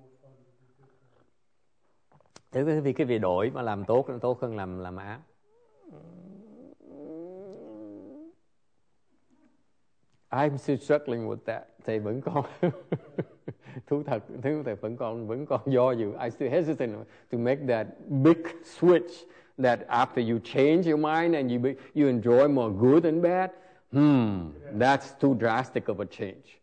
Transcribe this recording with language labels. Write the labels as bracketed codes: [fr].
[en] Until you turn your mind towards goodness, then it becomes more fun to be good. [vi] Thế vì cái việc đổi mà làm tốt nó tốt hơn làm ác. [en] I'm still struggling with that. [vi] Thầy vẫn còn thú thật, thầy vẫn còn do dự. [en] I still hesitant to make that big switch that after you change your mind and you enjoy more good than bad. That's too drastic of a change.